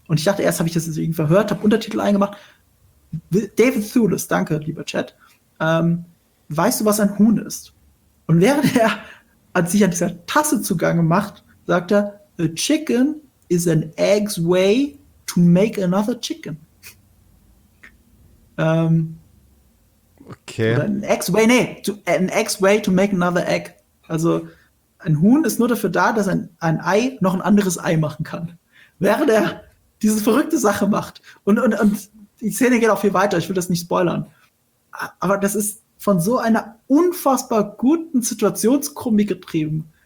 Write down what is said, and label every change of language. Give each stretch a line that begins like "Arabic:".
German: Und ich dachte, erst habe ich das irgendwie verhört, habe Untertitel eingemacht. David Thewlis, danke, lieber Chat. Weißt du, was ein Huhn ist? Und während er sich an dieser Tasse zugange macht, sagt er,
English: a chicken is an egg's way to make another chicken.
German: Okay.
English: An egg's way to make another egg.
German: Also ein Huhn ist nur dafür da, dass ein Ei noch ein anderes Ei machen kann. Während er diese verrückte Sache macht. Und die Szene geht auch viel weiter, ich will das nicht spoilern. Aber das ist von so einer unfassbar guten Situationskomik getrieben.